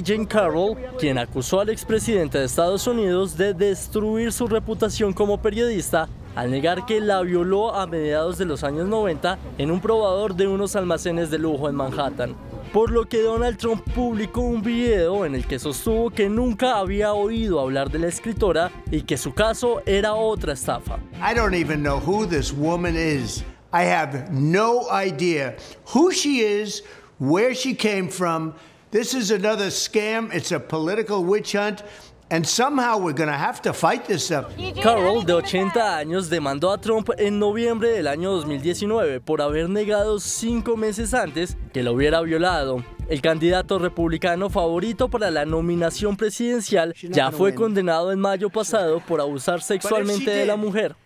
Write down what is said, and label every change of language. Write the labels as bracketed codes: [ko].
[es] Jean Carroll, quien acusó al expresidente de Estados Unidos de destruir su reputación como periodista al negar que la violó a mediados de los años 90 en un probador de unos almacenes de lujo en Manhattan. Por lo que Donald Trump publicó un video en el que sostuvo que nunca había oído hablar de la escritora y que su caso era otra estafa. [en] I don't even know who this woman is. I have no idea who she is, where she came from. This is another scam. It's a political witch hunt. And somehow we're gonna have to fight this up. [es] Carroll, de 80 años, demandó a Trump en noviembre del año 2019 por haber negado 5 meses antes que lo hubiera violado. El candidato republicano favorito para la nominación presidencial ya fue condenado en mayo pasado por abusar sexualmente de la mujer.